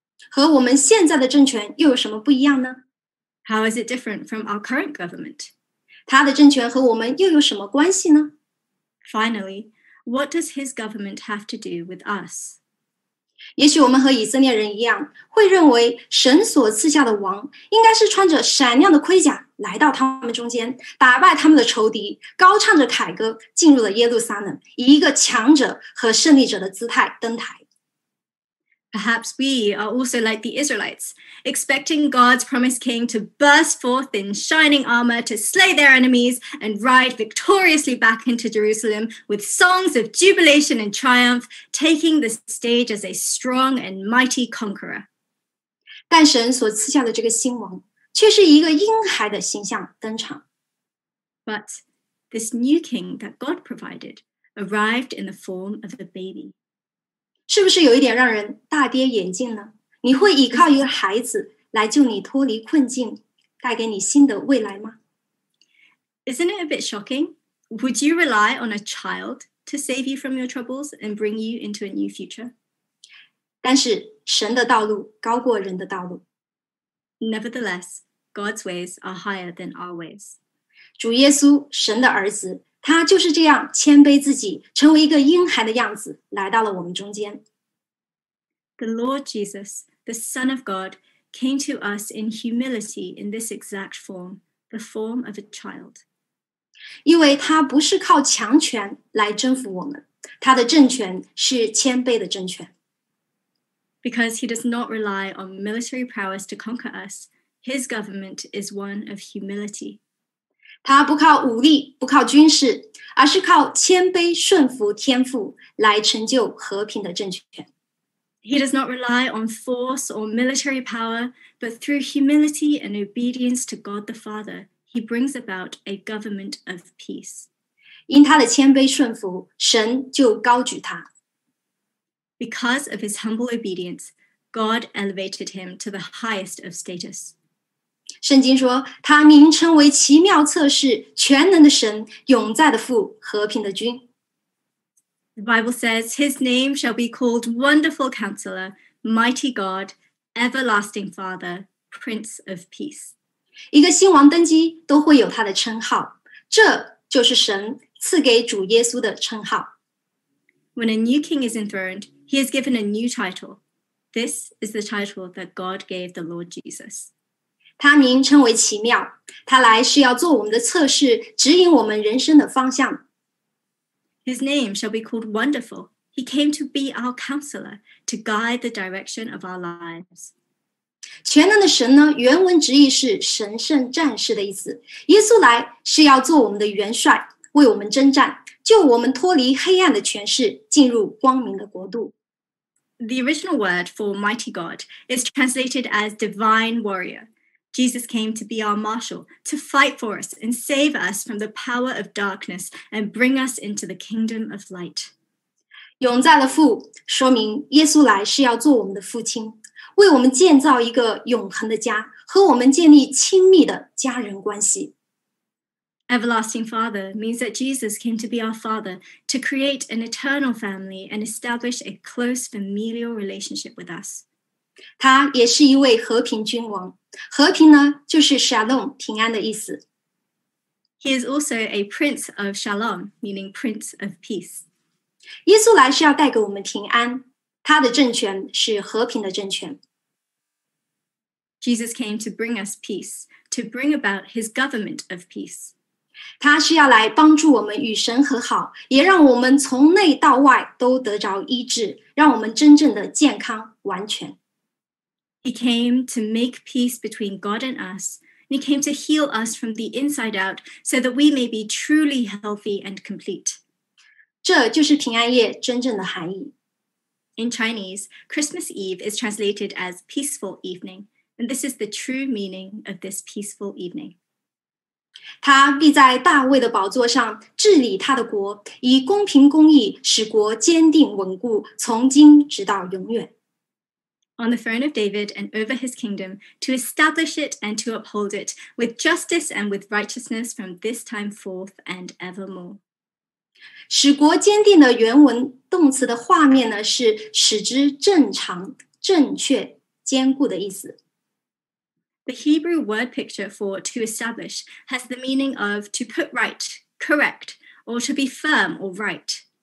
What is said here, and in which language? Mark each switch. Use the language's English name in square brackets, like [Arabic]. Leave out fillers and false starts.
[Chinese] 和我们现在的政权又有什么不一样呢？ [English] How is it different from our current government? [Chinese] 他的政权和我们又有什么关系呢？ [English] Finally, what does his government have to do with us? [Chinese] 也许我们和以色列人一样，会认为神所赐下的王应该是穿着闪亮的盔甲来到他们中间，打败他们的仇敌，高唱着凯歌进入了耶路撒冷，以一个强者和胜利者的姿态登台。 [English] Perhaps we are also like the Israelites, expecting God's promised king to burst forth in shining armor to slay their enemies and ride victoriously back into Jerusalem with songs of jubilation and triumph, taking the stage as a strong and mighty conqueror. [Chinese] 但神所赐下的这个新王却是一个婴孩的形象登场。 [English] But this new king that God provided arrived in the form of a baby. [Chinese] 是不是有一点让人大跌眼镜呢？你会依靠一个孩子来救你脱离困境，带给你新的未来吗？ [English] Isn't it a bit shocking? Would you rely on a child to save you from your troubles and bring you into a new future? [Chinese] 但是神的道路高过人的道路。 [English] Nevertheless, God's ways are higher than our ways. [Chinese] 主耶稣，神的儿子。他就是这样谦卑自己，成为一个婴孩的样子，来到了我们中间。 [English] The Lord Jesus, the Son of God, came to us in humility in this exact form, the form of a child. [Chinese] 因为他不是靠强权来征服我们，他的政权是谦卑的政权。 [English] Because he does not rely on military prowess to conquer us, his government is one of humility. [Chinese] 他不靠武力，不靠军事，而是靠谦卑顺服天父来成就和平的政权。 [English] He does not rely on force or military power, but through humility and obedience to God the Father, he brings about a government of peace. [Chinese] 因他的谦卑顺服，神就高举他。 [English] Because of his humble obedience, God elevated him to the highest of status. [Chinese] 圣经说，他名称为奇妙策士、全能的神、永在的父、和平的君。 [English] The Bible says, his name shall be called Wonderful Counselor, Mighty God, Everlasting Father, Prince of Peace. [Chinese] 一个新王登基都会有他的称号，这就是神赐给主耶稣的称号。 [English] When a new king is enthroned, he is given a new title. This is the title that God gave the Lord Jesus. [Chinese] 他名称为奇妙，他来是要做我们的测试，指引我们人生的方向。 [English] His name shall be called Wonderful. He came to be our counselor, to guide the direction of our lives. [Chinese] 全能的神呢，原文直译是神圣战士的意思。耶稣来是要做我们的元帅，为我们征战，救我们脱离黑暗的权势，进入光明的国度。 [English] The original word for mighty God is translated as divine warrior. Jesus came to be our marshal, to fight for us and save us from the power of darkness and bring us into the kingdom of light. [Chinese] 永在的父说明耶稣来是要做我们的父亲，为我们建造一个永恒的家，和我们建立亲密的家人关系。 [English] Everlasting Father means that Jesus came to be our Father, to create an eternal family and establish a close familial relationship with us. [Chinese] 他也是一位和平君王。和平呢，就是 shalom, 平安的意思。 [English] He is also a prince of shalom, meaning prince of peace. [Chinese] 耶稣来是要带给我们平安，他的政权是和平的政权。 [English] Jesus came to bring us peace, to bring about his government of peace. [Chinese] 他是要来帮助我们与神和好，也让我们从内到外都得着医治，让我们真正的健康完全。 [English] He came to make peace between God and us, and he came to heal us from the inside out so that we may be truly healthy and complete. [Chinese] 这就是平安夜真正的含义。 [English] In Chinese, Christmas Eve is translated as peaceful evening, and this is the true meaning of this peaceful evening. [Chinese] 他必在大卫的宝座上治理他的国，以公平公义使国坚定稳固，从今直到永远。 [English] On the throne of David and over his kingdom, to establish it and to uphold it with justice and with righteousness from this time forth and evermore. [Chinese] 使国坚定的原文动词的画面呢，是使之正常、正确、坚固的意思。 [English] The Hebrew word picture for to establish has the meaning of to put right, correct, or to be firm or right.